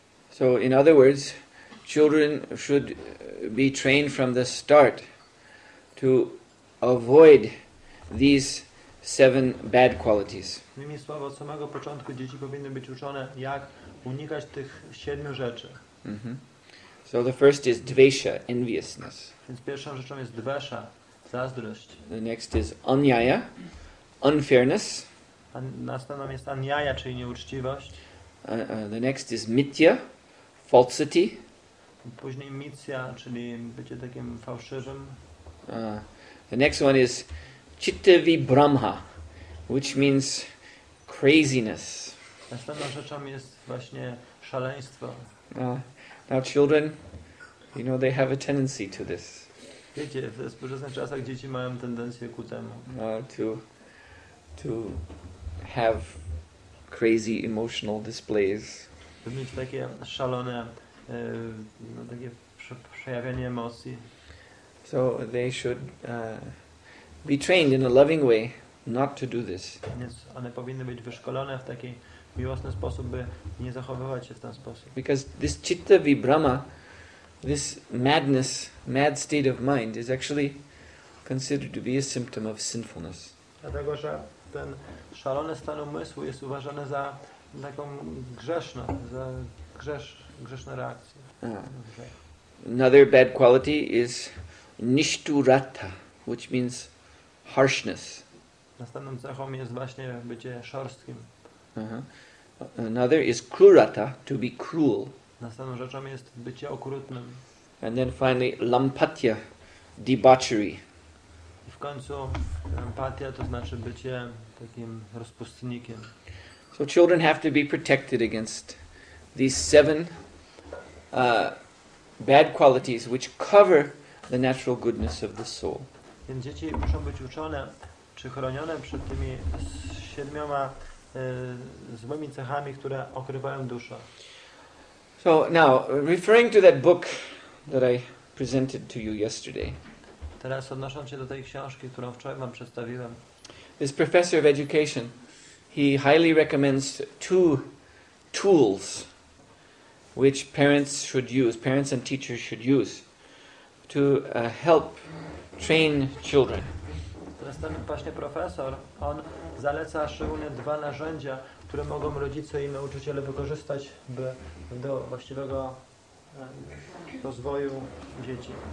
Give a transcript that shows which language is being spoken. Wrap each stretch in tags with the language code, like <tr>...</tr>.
<en>So in other words, children should be trained from the start to avoid these seven bad qualities.</en> <pl>Innymi słowy, od samego początku dzieci powinny być uczone, jak unikać tych siedmiu rzeczy.</pl> <en>So the first is dvesha, enviousness.</en> <pl>Więc pierwszą rzeczą jest dvesha, zazdrość.</pl> <en>The next is anyaya, unfairness.</en> <pl>A następną jest anyaya, czyli nieuczciwość.</pl> <en>The next is mitya, falsity.</en> <pl>Później mitya, czyli bycie takim fałszywym.</pl> <en>The next one is chitta vibhramha, which means craziness.</en> <pl>Następną rzeczą jest właśnie szaleństwo.</pl> <en>Now children, you know they have a tendency to this.</en> <pl>Wiecie, w współczesnych czasach dzieci mają tendencję ku temu.</pl> <en>To have crazy emotional displays.</en> <pl>By mieć takie szalone, takie przejawianie emocji.</pl> <en>So they should be trained in a loving way not to do this.</en> <pl>Więc one powinny być wyszkolone w taki miłosny sposób, by nie zachowywać się w ten sposób.</pl> <en>Because this chitta vibhrama, this madness, mad state of mind, is actually considered to be a symptom of sinfulness.</en> <pl>Dlatego, że ten szalony stan umysłu jest uważany za taką grzeszną, za grzeszną reakcję.</pl> <en>Another bad quality is nishturata, which means harshness.</en> <pl>Następną cechą jest właśnie bycie szorstkim.</pl> <en>Another is krurata, to be cruel.</en> <pl>Następną rzeczą jest bycie okrutnym.</pl> <en>And then finally lampatya, debauchery.</en> <pl>I w końcu lampatya to znaczy bycie takim rozpustnikiem.</pl> <en>So children have to be protected against these seven bad qualities which cover the natural goodness of the soul.</en> <pl>Więc dzieci muszą być uczone czy chronione przed tymi siedmioma złymi cechami, które okrywają duszę.</pl> <en>So now, referring to that book that I presented to you yesterday.</en> <pl>Teraz odnosząc się do tej książki, którą wczoraj wam przedstawiłem.</pl> <en>This professor of education, he highly recommends two tools which parents should use, parents and teachers should use to help train children.</en> <pl>Teraz ten właśnie profesor, on zaleca szczególnie dwa narzędzia, które mogą rodzice i nauczyciele wykorzystać, by do właściwego rozwoju dzieci.</pl>